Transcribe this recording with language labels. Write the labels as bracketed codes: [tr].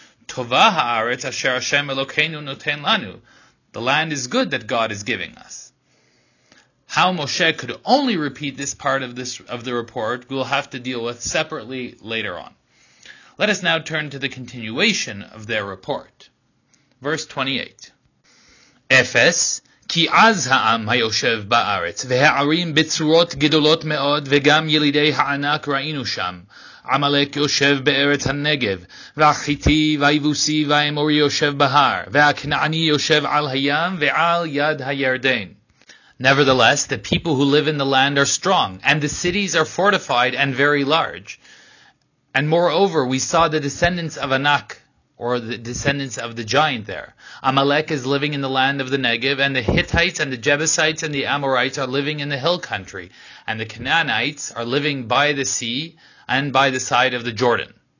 [he] Tova ha'aretz asher Hashem Elokeinu noten lanu. [en] The land is good that God is giving us. How Moshe could only repeat this part of the report, we'll have to deal with separately later on. Let us now turn to the continuation of their report. Verse 28. Ephes. [he] כי אז העם היושב בארץ, והערים בצורות גדולות מאוד, וגם ילידי הענק ראינו שם. עמלק יושב בארץ הנגב, והחיטי והיבוסי והאמורי יושב בהר, והכנעני יושב על הים ועל יד הירדן. [en] Nevertheless, the people who live in the land are strong, and the cities are fortified and very large. And moreover, we saw the descendants of Anak, or the descendants of the giant there. Amalek is living in the land of the Negev, and the Hittites and the Jebusites and the Amorites are living in the hill country, and the Canaanites are living by the sea and by the side of the Jordan.